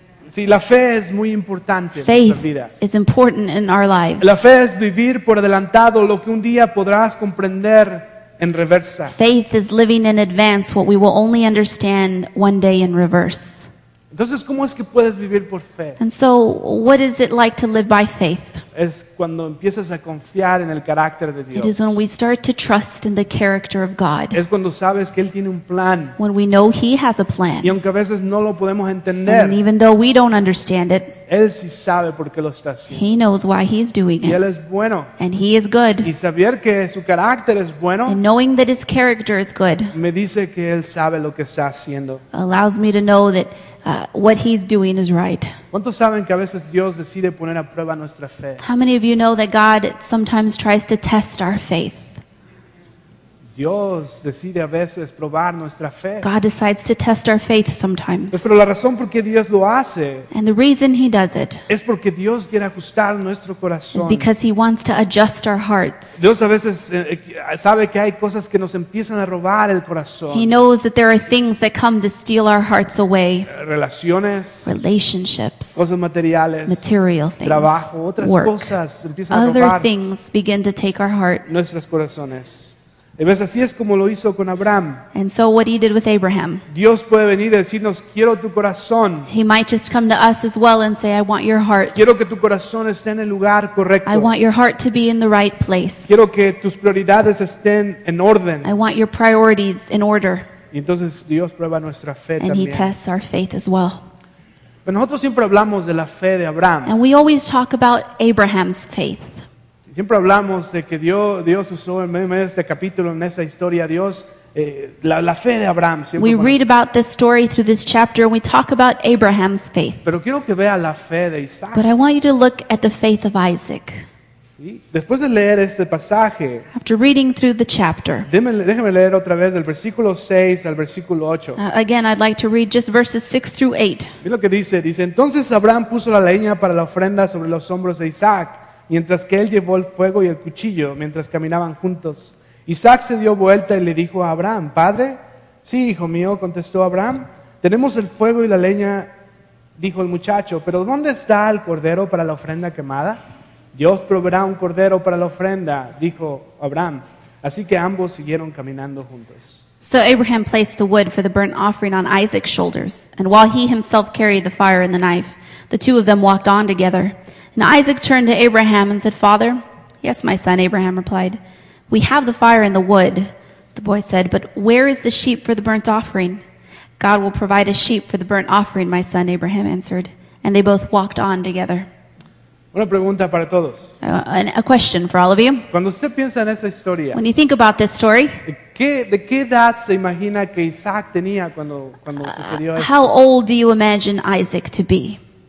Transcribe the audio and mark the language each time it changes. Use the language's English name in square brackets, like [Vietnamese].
[Spanish] Sí, la fe es muy importante [English] faith [Spanish] en nuestras vidas. [English] Is important in our lives. [Spanish] La fe es vivir por adelantado lo que un día podrás comprender en reversa. [English] Faith is living in advance what we will only understand one day in reverse. [Spanish] Entonces, ¿cómo es que puedes vivir por fe? [English] And so, what is it like to live by faith? [Spanish] Es cuando empiezas a confiar en el carácter de Dios. [English] It is when we start to trust in the character of God. [Spanish] Es cuando sabes que Él tiene un plan. [English] When we know He has a plan. [Spanish] Y aunque a veces no lo podemos entender. [English] And even though we don't understand it. [Spanish] Él sí sabe por qué lo está haciendo. [English] He knows why He's doing it. [Spanish] Y Él es bueno. [English] And He is good. [Spanish] Y saber que su carácter es bueno. [English] And knowing that His character is good. [Spanish] Me dice que Él sabe lo que está haciendo. [English] Allows me to know that what He's doing is right. [Spanish] ¿Cuántos saben que a veces Dios decide poner a prueba nuestra fe? [English] How many of you know that God sometimes tries to test our faith? [Spanish] Dios decide a veces probar nuestra fe. [English] God decides to test our faith sometimes. [Spanish] Pero la razón por qué Dios lo hace. [English] And the reason He does it. [Spanish] Es porque Dios quiere ajustar nuestro corazón. [English] Is because He wants to adjust our hearts. [Spanish] Dios a veces sabe que hay cosas que nos empiezan a robar el corazón. [English] He knows that there are things that come to steal our hearts away. [Spanish] Relaciones. [English] Relationships. [Spanish] Cosas materiales. [English] Material things. [Spanish] Trabajo. Otras [English] work. [Spanish] Cosas empiezan a robar. [English] Other things begin to take our heart. [Spanish] Nuestros corazones. Y ves, así es como lo hizo con Abraham. [English] And so what He did with Abraham. [Spanish] Dios puede venir y decirnos, quiero tu corazón. [English] He might just come to us as well and say, I want your heart. [Spanish] Quiero que tu corazón esté en el lugar correcto. [English] I want your heart to be in the right place. [Spanish] Quiero que tus prioridades estén en orden. [English] I want your priorities in order. [Spanish] Y entonces Dios prueba nuestra fe [English] and [Spanish] también. [English] He tests our faith as well. [Spanish] Pero nosotros siempre hablamos de la fe de Abraham. [English] And we always talk about Abraham's faith. [Spanish] Siempre hablamos de que Dios usó en medio de este capítulo, en esa historia, Dios, la fe de Abraham. [English] We read about this story through this chapter and we talk about Abraham's faith. [Spanish] Pero quiero que vea la fe de Isaac. [English] But I want you to look at the faith of Isaac. [Spanish] ¿Sí? Después de leer este pasaje, [English] after reading through the chapter, [Spanish] déjeme leer otra vez del versículo 6 al versículo 8. [English] Again, I'd like to read just verses 6 through 8. [Spanish] Mira lo que dice. Dice, entonces Abraham puso la leña para la ofrenda sobre los hombros de Isaac. Mientras que él llevó el fuego y el cuchillo, mientras caminaban juntos, Isaac se dio vuelta y le dijo a Abraham, «Padre, sí, hijo mío», contestó Abraham, «tenemos el fuego y la leña», dijo el muchacho, «pero ¿dónde está el cordero para la ofrenda quemada?» «Dios proveerá un cordero para la ofrenda», dijo Abraham. Así que ambos siguieron caminando juntos. [English] So Abraham placed the wood for the burnt offering on Isaac's shoulders, and while he himself carried the fire and the knife, the two of them walked on together. And Isaac turned to Abraham and said, Father, yes, my son, Abraham replied, we have the fire and the wood. The boy said, but where is the sheep for the burnt offering? God will provide a sheep for the burnt offering, my son, Abraham answered. And they both walked on together. [Spanish] Una pregunta para todos. [English] A question for all of you. [Spanish] Cuando usted piensa en esa historia, [English] when you think about this story, [Spanish] ¿de qué edad se imagina que Isaac tenía cuando sucedió esto? [English] How old do you imagine Isaac to be?